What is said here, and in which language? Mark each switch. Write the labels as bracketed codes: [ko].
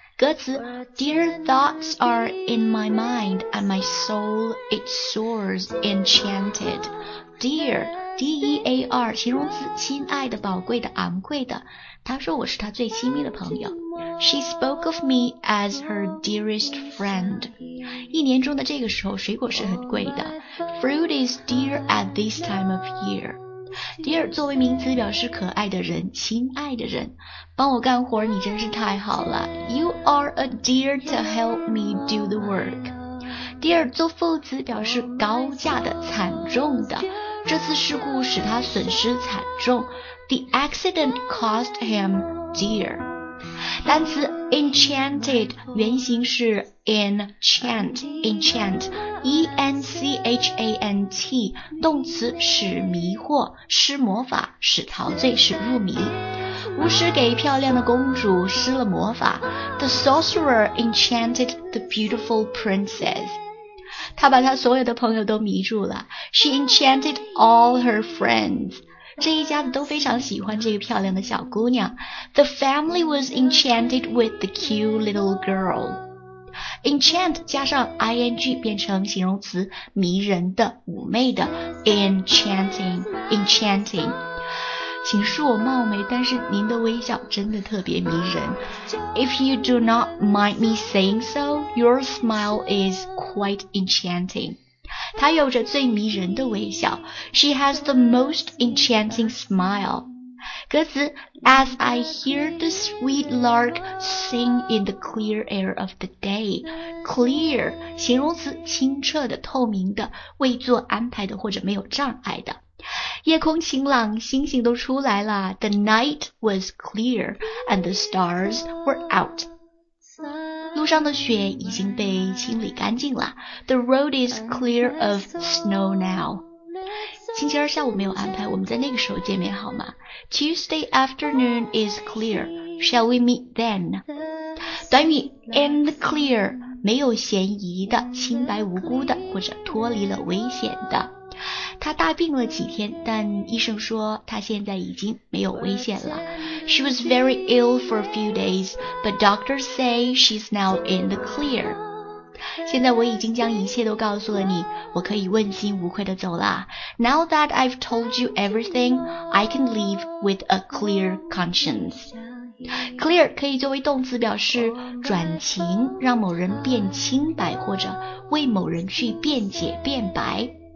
[en] 歌词 Dear thoughts are in my mind and my soul it soars enchanted. [zh] Dear, D-E-A-R, 形容词，亲爱的，宝贵的，昂贵的。她说我是她最亲密的朋友。 [en] She spoke of me as her dearest friend. [zh] 一年中的这个时候水果是很贵的。 [en] Fruit is dear at this time of year. [zh] Dear 作为名词表示可爱的人，亲爱的人。帮我干活你真是太好了。 [en] You are a dear to help me do the work. [zh] Dear 做副词表示高价的，惨重的。这次事故使他损失惨重。 [en] The accident cost him dear. [zh] 单词 enchanted 原型是Enchant E-N-C-H-A-N-T 动词使迷惑，施魔法，使陶醉，使入迷。巫师给漂亮的公主施了魔法。 [en] The sorcerer enchanted the beautiful princess. [zh] 她把她所有的朋友都迷住了。 [en] She enchanted all her friends. [zh] 这一家子都非常喜欢这个漂亮的小姑娘。 [en] The family was enchanted with the cute little girl. [zh] enchant 加上 ing 变成形容词，迷人的、妩媚的 enchanting enchanting。请恕我冒昧，但是您的微笑真的特别迷人。 [en] If you do not mind me saying so, your smile is quite enchanting. [zh] 她有着最迷人的微笑。 [en] She has the most enchanting smile. 歌词 As I hear the sweet lark sing in the clear air of the day. [zh] Clear, 形容词清澈的、透明的、未做安排的或者没有障碍的。夜空晴朗，星星都出来了。 [en] The night was clear and the stars were out. [zh] 路上的雪已经被清理干净了。 [en] The road is clear of snow now. [zh] 星期二下午没有安排，我们在那个时候见面好吗？ [en] Tuesday afternoon is clear. Shall we meet then? [zh] 短语 in the clear， 没有嫌疑的，清白无辜的，或者脱离了危险的。她大病了几天，但医生说她现在已经没有危险了。 [en] She was very ill for a few days, but doctors say she's now in the clear. [zh] 现在我已经将一切都告诉了你，我可以问心无愧地走了。 [en] Now that I've told you everything, I can leave with a clear conscience. [zh] Clear 可以作为动词表示转晴，让某人变清白，或者为某人去辩解辩白。